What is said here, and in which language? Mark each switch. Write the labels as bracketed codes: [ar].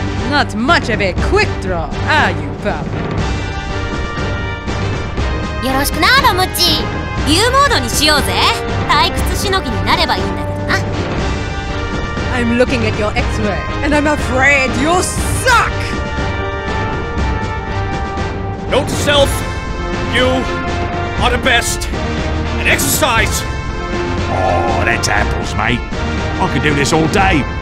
[en] Not much of a quick draw, are you, pal? [ja] よろしくな、ロムチ。ビューモードにしようぜ。退屈しのぎになればいいんだけどな。 [en] I'm looking at your x-ray, and I'm afraid you suck! Note to self, you are the best. And exercise! Oh, that's apples, mate. I could do this all day.